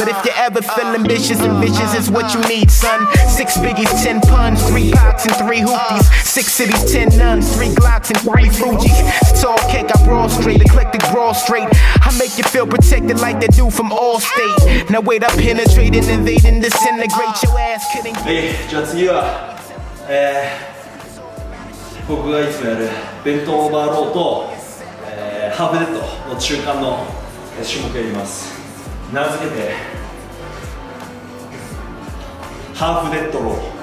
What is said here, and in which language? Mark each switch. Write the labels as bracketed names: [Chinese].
[English] But if you ever feel ambitious, and vicious is what you need, son. Six biggies, ten puns, three pox and three hoopties. Six cities, ten nuns, three glocks and three fujis. Tall cake, I brawl straight, eclectic brawl straight. I make you feel protected like they do from Allstate. Now wait, I penetrate and invade and disintegrate your ass. Couldn't get... Hey, just you, [Japanese] 僕がいつもやる弁当オーバーローと、ハーフデッドの中間の種目をやります。名付けてハーフデッドロ